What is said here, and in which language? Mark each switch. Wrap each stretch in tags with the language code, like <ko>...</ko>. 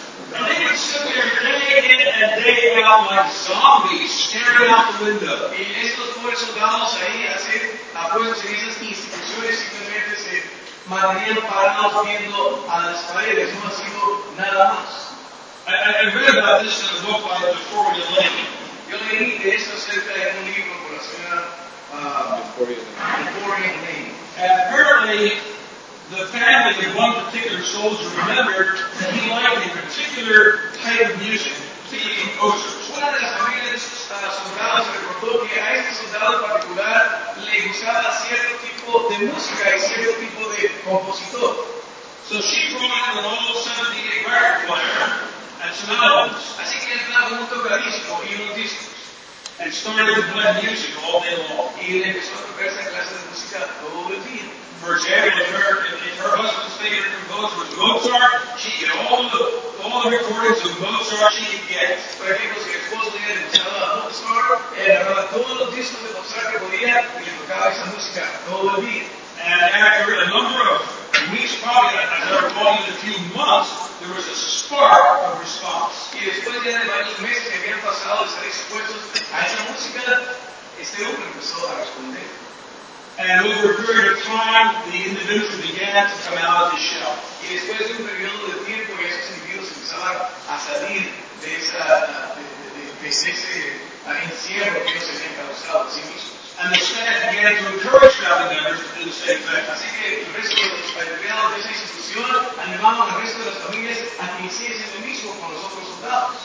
<en>And they would sit there day in and day out like zombies staring out the window.</en> <es>Y estos pobres soldados ahí hacer apuestas en esas instituciones simplemente se mantenían parados viendo a las paredes, no haciendo nada más.</es> <en>I read about this in a book by Dufourier Lane.</en> <es>Yo leí de esto acerca de un libro por la señora Dufourier Lane.</es> <en>And apparently, the family of one particular soldier remembered that he liked a particular type of music, particularly composers.</en> <es>Una de las familias soldados recordó que a este soldado particular le gustaba cierto tipo de música y cierto tipo de compositor.</es> <en>So she brought an old 78 record player and some albums.</en> <es>Así que él trajo un tocadisco y unos discos.</es> <en>And started to play music all day long.</en> <es>Y le empezó a tocar esa clase de música todo el día.</es> <en>For example, if her husband's favorite composer was Mozart, she'd get all the recordings of Mozart she could get.</en> <es>Por ejemplo, si el esposo de ella escuchaba a Mozart, él agarraba todos los discos de Mozart que podía y le tocaba esa música todo el día.</es> <en>And after a number of weeks, probably as I recall, in a few months, there was a spark of response.</en> <es>Y después de varios meses que habían pasado estar expuestos a esa música, este hombre empezó a responder.</es> <en>And over a period of time, the individual began to come out of his shell.</en> <es>Y después de un periodo de tiempo, esos individuos empezaban a salir de esa de ese encierro que ellos habían causado a sí mismos.</es> <en>And the staff began to encourage family members to do the same thing.</en> <es>Así que el resto de los empleados de esa institución animaban al resto de las familias a que hiciesen lo mismo con los otros soldados.</es>